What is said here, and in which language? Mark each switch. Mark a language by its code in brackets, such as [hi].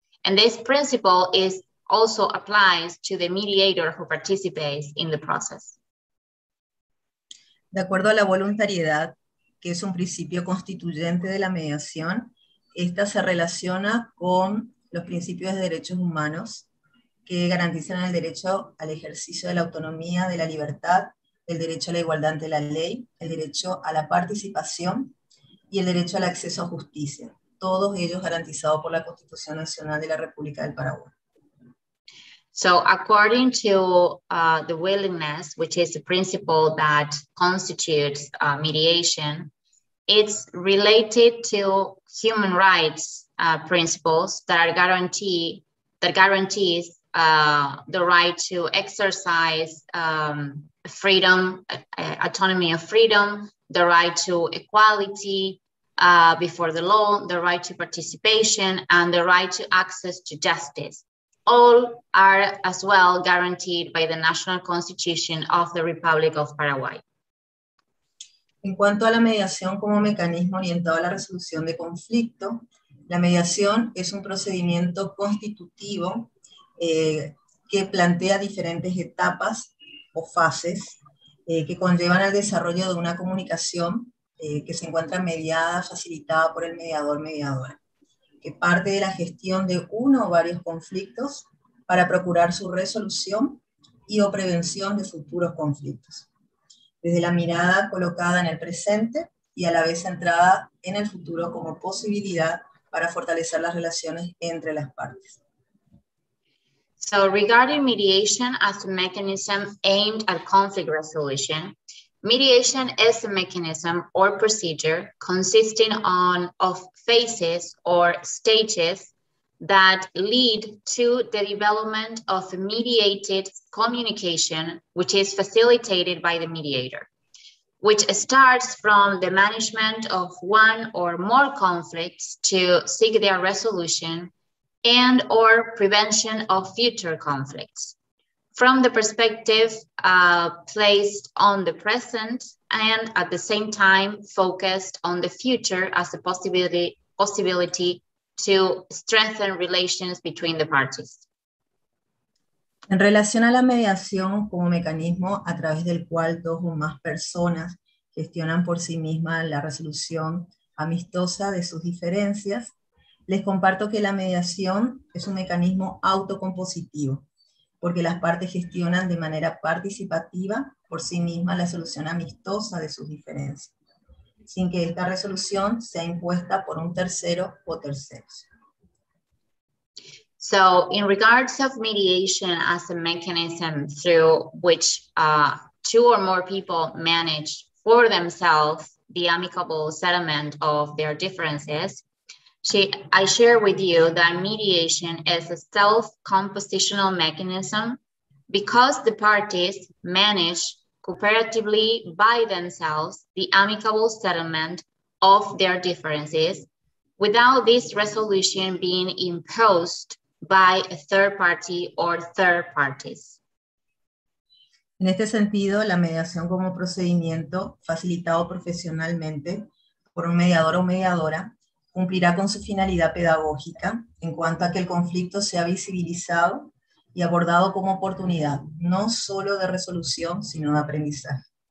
[en] And this principle is also applies to the mediator who participates in the process. [es] De acuerdo a la voluntariedad, que es un principio constituyente de la mediación, esta se relaciona con los principios de derechos humanos que garantizan el derecho al ejercicio de la autonomía, de la libertad, el derecho a la igualdad ante la ley, el derecho a la participación y el derecho al acceso a justicia, todos ellos garantizado por la Constitución Nacional de la República del Paraguay. [en] So according to the willingness, which is the principle that constitutes mediation, it's related to human rights principles that are guarantees the right to exercise freedom, autonomy of freedom, the right to equality before the law, the right to participation, and the right to access to justice. All are as well guaranteed by the National Constitution of the Republic of Paraguay. [es] En cuanto a la mediación como mecanismo orientado a la resolución de conflicto, la mediación es un procedimiento constitutivo que plantea diferentes etapas o fases que conllevan al desarrollo de una comunicación que se encuentra mediada, facilitada por el mediador-mediadora, que parte de la gestión de uno o varios conflictos para procurar su resolución y o prevención de futuros conflictos, desde la mirada colocada en el presente y a la vez centrada en el futuro como posibilidad para fortalecer las relaciones entre las partes. [en] So regarding mediation as a mechanism aimed at conflict resolution, mediation is a mechanism or procedure consisting of phases or stages that lead to the development of a mediated communication, which is facilitated by the mediator, which starts from the management of one or more conflicts to seek their resolution and or prevention of future conflicts. From the perspective placed on the present and at the same time focused on the future as a possibility to strengthen relations between the parties. [es] En relación a la mediación como mecanismo a través del cual dos o más personas gestionan por sí mismas la resolución amistosa de sus diferencias, les comparto que la mediación es un mecanismo autocompositivo, porque las partes gestionan de manera participativa por sí mismas la solución amistosa de sus diferencias, sin que esta resolución sea impuesta por un tercero o terceros. [en] So, in regards of mediation as a mechanism through which two or more people manage for themselves the amicable settlement of their differences, I share with you that mediation is a self-compositional mechanism because the parties manage cooperatively by themselves the amicable settlement of their differences without this resolution being imposed by a third party or third parties. [es] En este sentido, la mediación como procedimiento facilitado profesionalmente por un mediador o mediadora cumplirá con su finalidad pedagógica en cuanto a que el conflicto sea visibilizado y abordado como oportunidad, no solo de resolución, sino de aprendizaje,